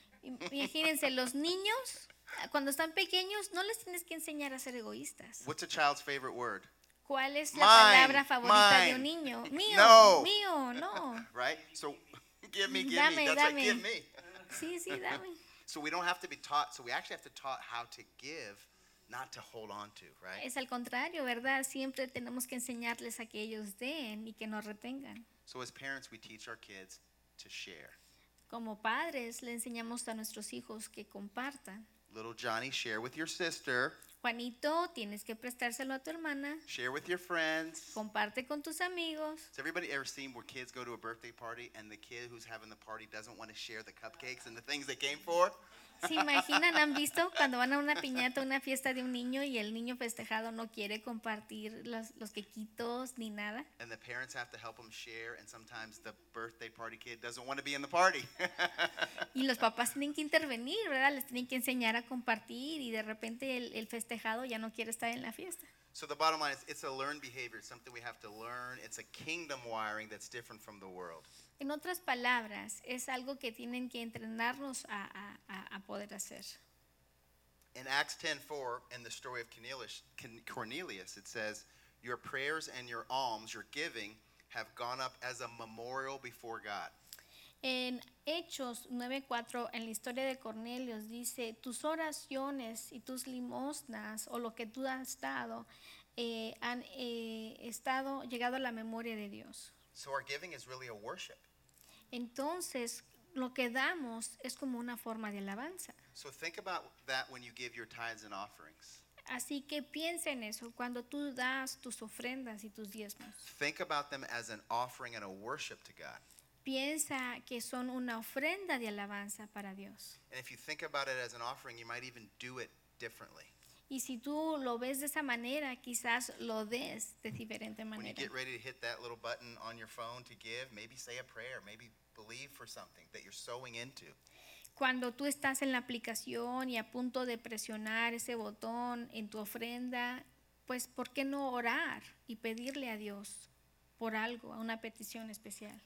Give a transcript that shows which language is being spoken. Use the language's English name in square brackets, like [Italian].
[Spanish] Imagínense, los niños, cuando están pequeños, no les tienes que enseñar a ser egoístas. [English] What's a child's favorite word? [Spanish] ¿Cuál es la palabra favorita de un niño? Mío, no. Mío, no. [English] Right? So, give me. Right, give me. [Spanish] Sí, dame. [English] So we don't have to be taught, so we actually have to taught how to give, not to hold on to, right? [Spanish] Es al contrario, ¿verdad? Siempre tenemos que enseñarles a que ellos den y que no retengan. [English] So as parents, we teach our kids to share. [Spanish] Como padres, le enseñamos a nuestros hijos que compartan. [English] Little Johnny, share with your sister. [Spanish] Juanito, tienes que prestárselo a tu hermana. [English] Share with your friends. [Spanish] Comparte con tus amigos. [English] Has everybody ever seen where kids go to a birthday party and the kid who's having the party doesn't want to share the cupcakes and the things they came for? [Spanish] ¿Se imaginan? ¿Han visto cuando van a una piñata, una fiesta de un niño y el niño festejado no quiere compartir los quequitos ni nada? [English] And the parents have to help them share and sometimes the birthday party kid doesn't want to be in the party. [Spanish] Y los papás tienen que intervenir, ¿verdad? Les tienen que enseñar a compartir y de repente el festejado ya no quiere estar en la fiesta. [English] So the bottom line is it's a learned behavior, something we have to learn. It's a kingdom wiring that's different from the world. [Spanish] En otras palabras, es algo que tienen que entrenarnos a poder hacer. [English] In Acts 10:4, in the story of Cornelius, it says, your prayers and your alms, your giving, have gone up as a memorial before God. [Spanish] En Hechos 9:4, en la historia de Cornelius, dice, tus oraciones y tus limosnas, o lo que tú has dado, han llegado a la memoria de Dios. [English] So our giving is really a worship. [Spanish] Entonces, lo que damos es como una forma de alabanza. [English] So think about that when you give your tithes and offerings. [Spanish] Así que piensa en eso cuando tú das tus ofrendas y tus diezmos. [English] Think about them as an offering and a worship to God. [Spanish] Piensa que son una ofrenda de alabanza para Dios. [English] And if you think about it as an offering, you might even do it differently. [Spanish] Y si tú lo ves de esa manera, quizás lo des de diferente manera. [English] When you get ready to hit that little button on your phone to give, maybe say a prayer, maybe believe for something that you're sowing into. [Spanish] Cuando tú estás en la aplicación y a punto de presionar ese botón en tu ofrenda, pues ¿por qué no orar y pedirle a Dios por algo, una petición especial?